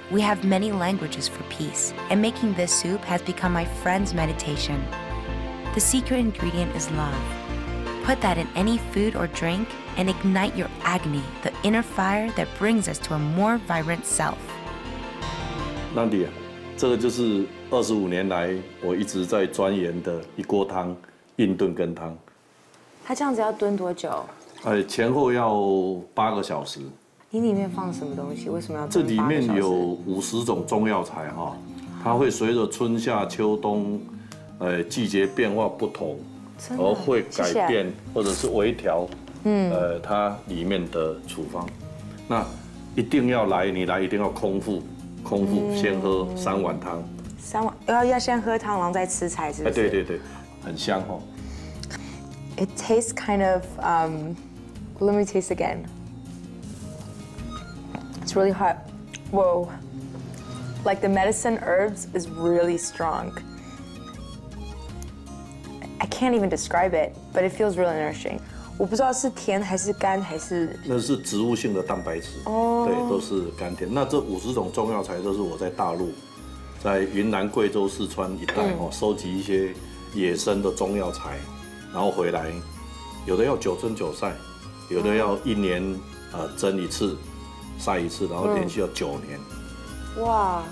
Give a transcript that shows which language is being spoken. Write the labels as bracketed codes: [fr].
[en] We have many languages for peace, and making this soup has become my friend's meditation. The secret ingredient is love. Put that in any food or drink and ignite your agni, the inner fire that brings us to a more vibrant self. Nandia, [zh] 这个就是25年来我一直在钻研的一锅汤，硬炖羹汤。它这样子要炖多久？前后要8个小时。你里面放什么东西？为什么要炖？这里面有50种中药材哈，它会随着春夏秋冬，季节变化不同，而会改变或者是微调，它里面的处方。那一定要来，你来一定要空腹，空腹先喝3碗汤。三碗要先喝汤，然后再吃菜，是不是？对对对，很香哈。 [en] It tastes kind of, let me taste again. It's really hot. Whoa. Like the medicine herbs is really strong. I can't even describe it, but it feels really nourishing. [zh] 我不知道是甜还是甘还是。那是植物性的蛋白质。对，都是甘甜。那这50种中药材都是我在大陆，在云南、贵州、四川一带哦，收集一些野生的中药材。然后回来，有的要九蒸九晒，有的要1年蒸一次，晒一次，然后连续要9年。哇！